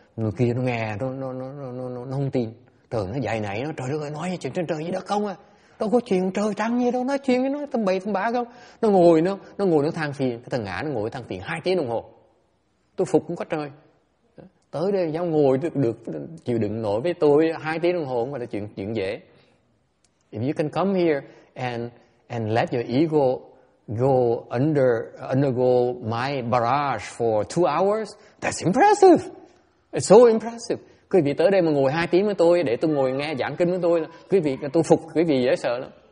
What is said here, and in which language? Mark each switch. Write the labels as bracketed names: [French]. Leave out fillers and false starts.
[Vietnamese] Người kia nó nghe, nó không tin. Trời, nó dài nảy, nó trời ơi, nói chuyện trên trời gì đó không à. Đâu có chuyện trời trăng gì đâu, nói chuyện với nó tâm bậy tâm bạ không. Nó ngồi, nó than phiền, cái thằng ngã nó ngồi than phiền 2 tiếng đồng hồ. Tôi phục cũng có trời. tới đây dám ngồi được chịu đựng nổi với tôi 2 tiếng đồng hồ không phải là chuyện dễ. [English] If you can come here and let your ego go undergo my barrage for 2 hours, that's impressive. It's so impressive. [Vietnamese] Quý vị tới đây mà ngồi 2 tiếng với tôi để tôi ngồi nghe giảng kinh với tôi, quý vị tôi phục quý vị dễ sợ lắm.